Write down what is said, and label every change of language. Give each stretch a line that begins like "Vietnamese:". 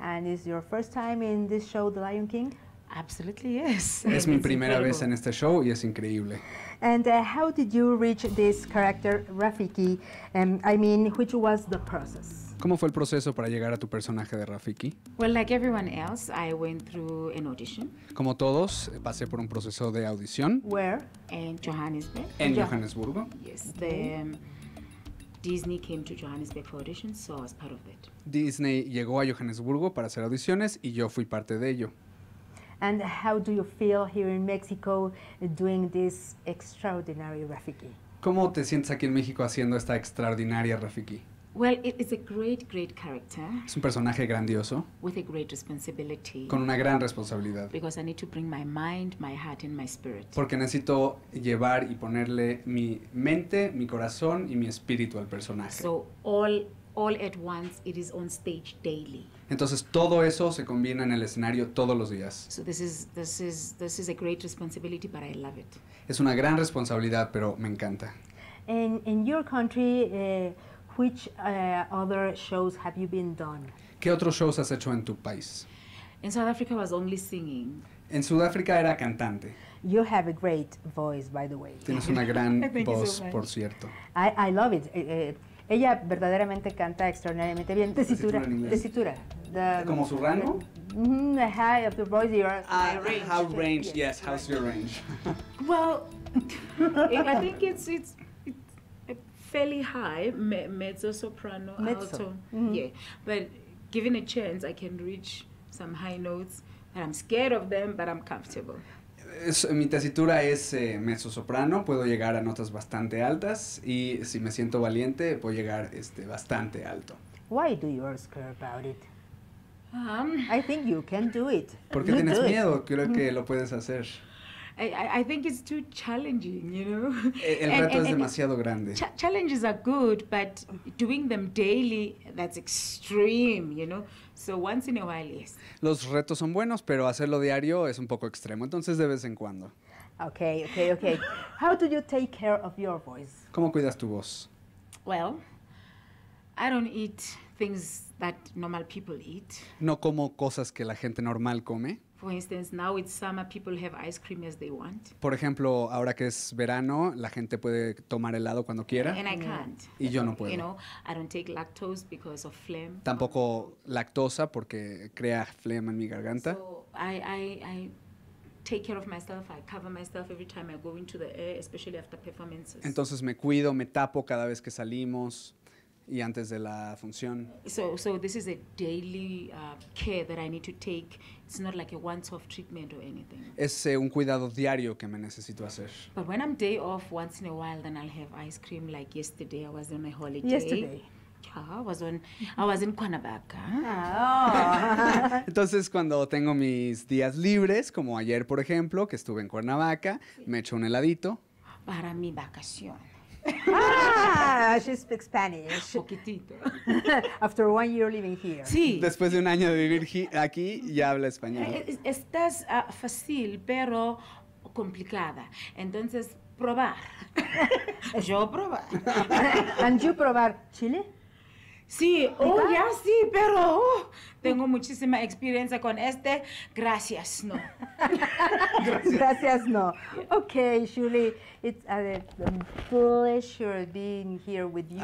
English: And is your first time in this show, The Lion King? Absolutely, yes.
Spanish: Es mi primera vez en este show y es increíble.
English: And how did you reach this character, Rafiki? Which was the process?
Spanish: ¿Cómo fue el proceso para llegar a tu personaje de Rafiki?
English: Well, like everyone else, I went through an audition.
Spanish: Como todos, pasé por un proceso de audición.
English: Where? In Johannesburg.
Spanish: En Johannesburgo.
English: Yes, the Disney came to Johannesburg for auditions, so I was part of it.
Spanish: Disney llegó a Johannesburgo para hacer audiciones y yo fui parte de ello.
English: And how do you feel here in Mexico doing this extraordinary Rafiki?
Spanish: ¿Cómo te sientes aquí en México haciendo esta extraordinaria Rafiki?
English: Well, it is a great, great character.
Spanish: Es un personaje grandioso.
English: With a great responsibility.
Spanish: Con una gran responsabilidad.
English: Because I need to bring my mind, my heart, and my spirit.
Spanish: Porque necesito llevar y ponerle mi mente, mi corazón y mi espíritu al personaje.
English: So all at once, it is on stage daily.
Spanish: Entonces todo eso se combina en el escenario todos los días.
English: So this is a great responsibility, but I love it.
Spanish: Es una gran responsabilidad, pero me encanta.
English: In your country, which other shows have you been done?
Spanish: ¿Qué otros shows has hecho en tu país?
English: In South Africa, I was only singing.
Spanish: En Sudáfrica era cantante.
English: You have a great voice, by the way.
Spanish: Tienes una gran voz, so por cierto.
English: I love it.
Spanish: Ella verdaderamente canta extraordinariamente bien. Tesitura. ¿Como su rango?
English: The high of the voice, your range. How range, yes. Yes. How's your range? Well, I think it's fairly high, mezzo, soprano, mezzo. Alto. Mm-hmm. Yeah. But given a chance, I can reach some high notes. And I'm scared of them, but I'm comfortable.
Spanish: Mi tesitura es mezzo-soprano, puedo llegar a notas bastante altas y si me siento valiente, puedo llegar bastante alto.
English: Why do you care about it? I think you can do it.
Spanish: ¿Por qué tienes miedo? Creo que lo puedes hacer.
English: I think it's too challenging, you know.
Spanish: El reto es demasiado grande.
English: Challenges are good, but doing them daily, that's extreme, you know. So once in a while, yes.
Spanish: Los retos son buenos, pero hacerlo diario es un poco extremo. Entonces, de vez en cuando.
English: Okay. How do you take care of your voice?
Spanish: ¿Cómo cuidas tu voz?
English: Well, I don't eat things that normal people eat.
Spanish: No como cosas que la gente normal come.
English: For instance, now it's summer, people have ice cream as they want.
Spanish: Por ejemplo, ahora que es verano, la gente puede tomar helado cuando quiera.
English: And I can't.
Spanish: Y yo no puedo.
English: You know, I don't take lactose because of phlegm.
Spanish: Tampoco lactosa porque crea phlegm en mi garganta.
English: So I take care of myself. I cover myself every time I go into the air, especially after performances.
Spanish: Entonces me cuido, me tapo cada vez que salimos y antes de la función.
English: So this is a daily care that I need to take. It's not like a once-off treatment or anything.
Spanish: Es un cuidado diario que me necesito hacer.
English: But when I'm day off once in a while, then I'll have ice cream. Like yesterday, I was on my holiday. Yesterday. Yeah, I was in Cuernavaca. Oh.
Spanish: Entonces, cuando tengo mis días libres, como ayer, por ejemplo, que estuve en Cuernavaca, sí, me echo un heladito. Para mi vacación.
English: Ah, she speaks Spanish.
Spanish: Poquitito.
English: After 1 year living here.
Spanish: Sí. Después de un año de vivir aquí, ya habla español. Estás fácil, pero complicada. Entonces, probar. Yo probar.
English: And you
Spanish: probar chile? Sí. Oh, ya sí, pero tengo muchísima experiencia con este. Gracias, no. Gracias, no.
English: Okay, Shirley, it's a pleasure being here with you.